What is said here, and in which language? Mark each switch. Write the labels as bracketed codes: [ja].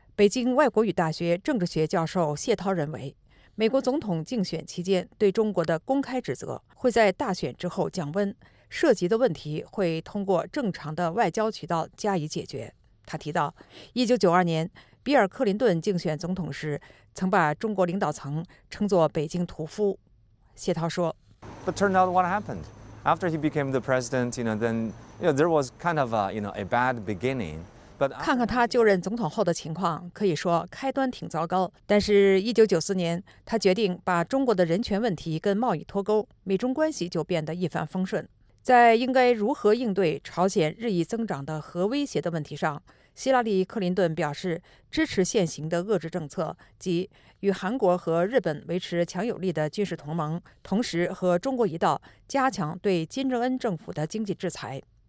[zh] 北京外国语大学政治学教授谢涛认为，美国总统竞选期间对中国的公开指责会在大选之后降温，涉及的问题会通过正常的外交渠道加以解决。他提到1992年比尔·克林顿竞选总统时曾把中国领导层称作北京屠夫。谢涛说， [en] But turned out what happened after he became the president, you know, then you know, there was kind of a, you know, a bad beginning. But [zh] 看看他就任总统后的情况，可以说开端挺糟糕，但是1994年他决定把中国的人权问题跟贸易脱钩，美中关系就变得一帆风顺。在应该如何应对朝鲜日益增长的核威胁的问题上，希拉里·克林顿表示支持现行的遏制政策，即与韩国和日本维持强有力的军事同盟，同时和中国一道加强对金正恩政府的经济制裁。